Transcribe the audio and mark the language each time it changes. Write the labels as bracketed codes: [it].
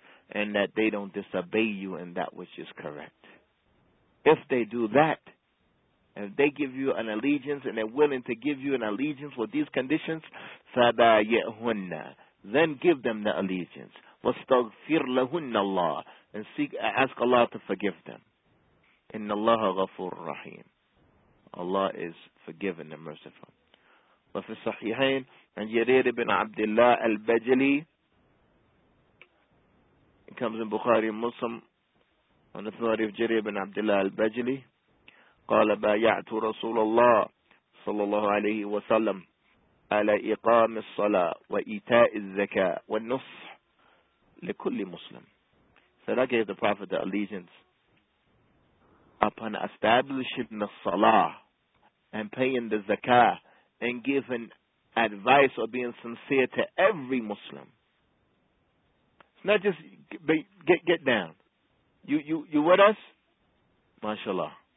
[en] And that they don't disobey you in that which is correct. If they do that, if they give you an allegiance and they're willing to give you an allegiance with these conditions, [ar] فَبَايِعْهُنَّ. [en] Then give them the allegiance. [ar] وَاسْتَغْفِرْ لَهُنَّ اللَّهُ. [en] And seek, ask Allah to forgive them. [ar] إِنَّ اللَّهَ غَفُورٌ رَحِيمٌ. [en] Allah is forgiven and merciful. [ar] وَفِي الصَّحِيحَيْنِ عن جرير بن عبد الله البجلي. [en] It comes in Bukhari and Muslim on the authority of Jarir ibn Abdullah al-Bajli. [ar] قال بايعت رسول الله صلى الله عليه وسلم على إقام الصلاة وإيتاء الزكاة والنصح لكل مسلم. [en] So that gave the Prophet the allegiance upon establishing the salah and paying the zakah and giving advice or being sincere to every Muslim. Not just get down. You with us? MashaAllah.